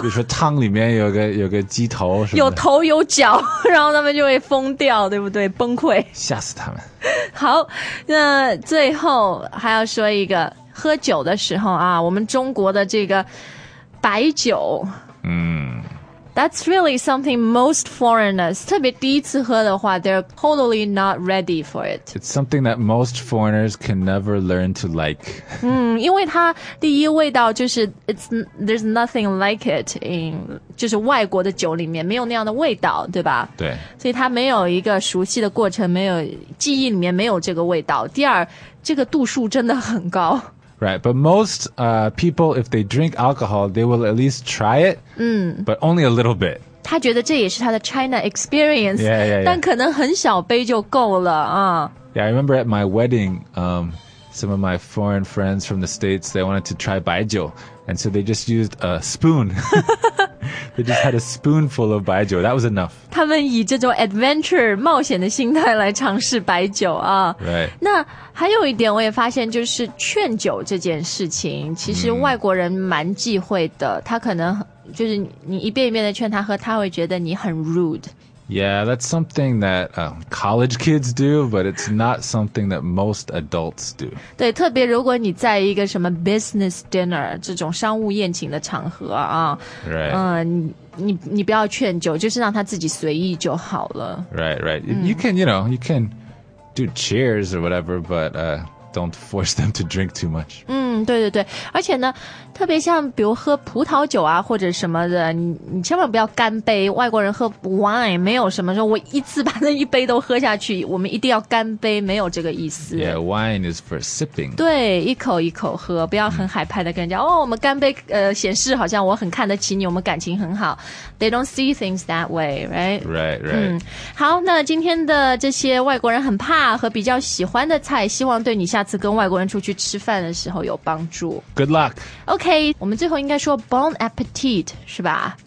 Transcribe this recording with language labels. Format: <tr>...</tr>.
<zh>比如说汤里面有个鸡头什么的。有头有脚，然后他们就会疯掉，对不对？崩溃。吓死他们。好，那最后还要说一个，喝酒的时候啊，我们中国的这个白酒。</zh> <en>That's really something most foreigners,</en> <zh>特别第一次喝的话</zh> <en>they're totally not ready for it. It's something that most foreigners can never learn to like.</en> <zh>嗯，因为它第一味道就是 it's,</zh> <en>there's nothing like it in,</en> <zh>就是外国的酒里面没有那样的味道，对吧？对。所以它没有一个熟悉的过程，没有记忆里面没有这个味道。第二，这个度数真的很高。</zh> <en>Right, but most people, if they drink alcohol, they will at least try it,、but only a little bit.</en> <zh>他觉得这也是他的 China experience,</zh> <en>yeah, yeah, yeah.</en> <zh>但可能很小杯就够了、</zh> <en>Yeah, I remember at my wedding, some of my foreign friends from the States, they wanted to try 白酒, and so they just used a spoon. They just had a spoonful of 白酒, that was enough.</en> <zh>他们以这种 adventure, 冒险的心态来尝试白酒啊。</zh> <en>Right.</en> <zh>那还有一点我也发现就是劝酒这件事情其实外国人蛮忌讳的、他可能就是你一遍一遍的劝他喝他会觉得你很 rude。</zh> <en>Yeah, that's something that college kids do, but it's not something that most adults do.</en> <zh>对，特别如果你在一个什么 business dinner 这种商务宴请的场合啊，</zh> <en>right.</en> <zh>你不要劝酒，就是让他自己随意就好了。</zh> <en>Right, right.、You can, you know, you can do cheers or whatever, but don't force them to drink too much.</en> <zh>嗯，对对对，而且呢，特别像比如喝葡萄酒啊或者什么的，你千万不要干杯。外国人喝 wine 没有什么说我一次把那一杯都喝下去，我们一定要干杯，没有这个意思。</zh> <en>Yeah, wine is for sipping.</en> <zh>对，一口一口喝，不要很海派的跟人家、哦，我们干杯，显示好像我很看得起你，我们感情很好。</zh> <en>They don't see things that way, right? Right, right.</en> <zh>嗯，好，那今天的这些外国人很怕和比较喜欢的菜，希望对你下。次跟外国人出去吃饭的时候有帮助。</zh> <en>Good luck.</en> <zh>OK, 我们最后应该说 bon appetit, 是吧？</zh>